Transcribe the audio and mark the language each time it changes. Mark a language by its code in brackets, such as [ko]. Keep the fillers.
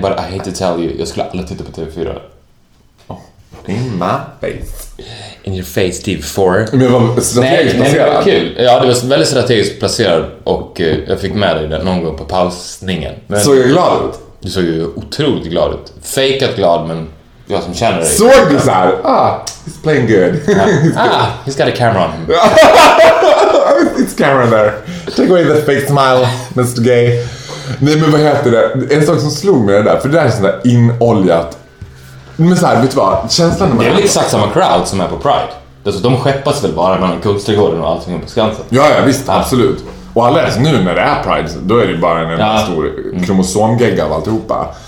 [en] but I hate to tell you, [sv] jag skulle aldrig titta på TV4. [en] In my face. In your face, Steve. Four. [sv] Men det var strategiskt nej, placerad. Nej, det var kul. Ja, det var väldigt strategiskt placerad och eh, jag fick med dig den någon gång på pausningen. Men såg jag glad du, ut? Du såg ju otroligt glad ut. Fakat glad, men jag som känner dig. Såg du såhär? Ja. [en] Ah, he's playing good. Yeah. ah, good. he's got a camera on him. It's camera there. Take away the fake smile, Mr Gay. [sv] Nej, men vad heter det? En sak som slog mig där, för det där är sånt där inoljat men såhär, vet du vad? Känslan när man... Är det är väl exakt samma crowd som är på Pride? Alltså, de skeppas väl bara mellan Kungsträdgården och allting på Skansen? Ja, ja visst. Ja. Absolut. Och alla är nu när det är Pride, då är det bara en ja. stor kromosomgegga av alltihopa.